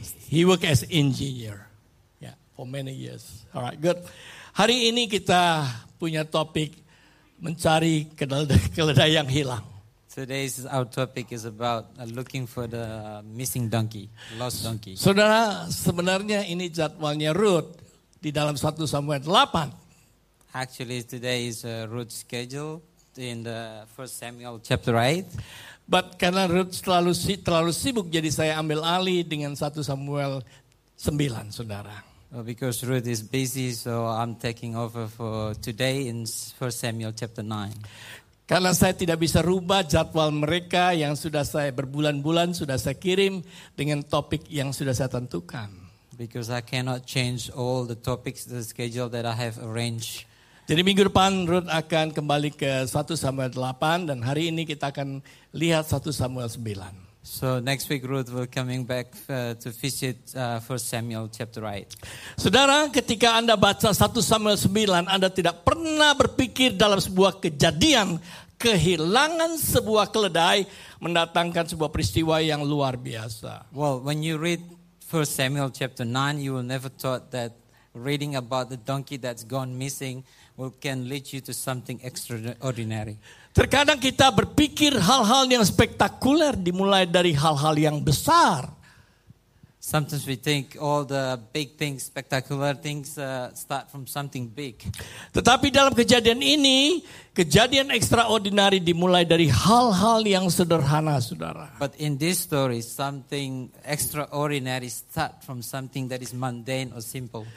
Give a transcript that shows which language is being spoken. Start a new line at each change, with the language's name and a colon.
English: He worked as engineer. Yeah, for many years. All right, good.
Indonesian: Hari ini kita punya topik mencari keledai yang hilang.
English: Today's our topic is about looking for the missing donkey, lost donkey.
Indonesian: Saudara, sebenarnya ini jadwalnya Ruth di dalam 1 Samuel 8.
English: Actually, today is Ruth's schedule in the 1 Samuel chapter 8.
Indonesian: But karena Ruth terlalu sibuk, jadi saya ambil alih dengan 1 Samuel 9, saudara.
English: Because Ruth is busy, so I'm taking over for today in 1 Samuel chapter 9.
Indonesian: Karena saya tidak bisa rubah jadwal mereka yang sudah saya berbulan-bulan sudah saya kirim dengan topik yang sudah saya tentukan.
English: Because I cannot change all the topics, the schedule that I have arranged.
Indonesian: Jadi minggu depan Ruth akan kembali ke 1 Samuel 8 dan hari ini kita akan lihat 1 Samuel 9.
English: So next week Ruth will coming back to visit 1 Samuel chapter 8.
Indonesian: Saudara, ketika Anda baca 1 Samuel 9, Anda tidak pernah berpikir dalam sebuah kejadian kehilangan sebuah keledai mendatangkan sebuah peristiwa yang luar biasa.
English: Well, when you read 1 Samuel chapter 9, you will never thought that reading about the donkey that's gone missing will can lead you to something extraordinary.
Indonesian: Terkadang kita berpikir hal-hal yang spektakuler dimulai dari hal-hal yang besar.
English: Sometimes we think all the big things, spectacular things start from something big.
Indonesian: Tetapi dalam kejadian ini, kejadian extraordinary dimulai dari hal-hal yang sederhana, saudara.
English: But in this story, something extraordinary start from something that is mundane or simple.